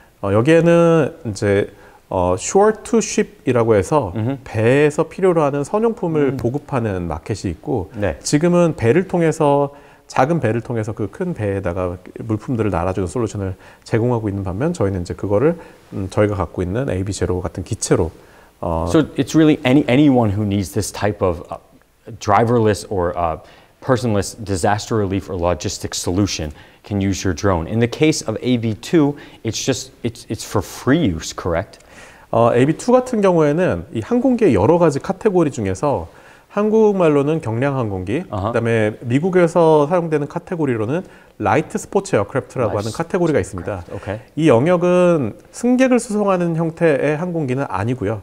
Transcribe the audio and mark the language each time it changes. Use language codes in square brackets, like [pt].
[ko] 여기에는 이제 shore to ship이라고 해서 배에서 필요로 하는 선용품을 보급하는 마켓이 있고 네. 지금은 배를 통해서 작은 배를 통해서 그 큰 배에다가 물품들을 날아주는 솔루션을 제공하고 있는 반면 저희는 이제 그거를 저희가 갖고 있는 AB0 같은 기체로 [en] So it's really anyone who needs this type of driverless or personless disaster relief or logistics solution can use your drone. In the case of AB2, it's for free use, correct? [ko] AB2 같은 경우에는 이 항공기의 여러 가지 카테고리 중에서 한국말로는 경량 항공기, uh-huh. 그다음에 미국에서 사용되는 카테고리로는 라이트 스포츠 에어크래프트라고 하는 카테고리가 있습니다. [en] Okay. [ko] 이 영역은 승객을 수송하는 형태의 항공기는 아니고요.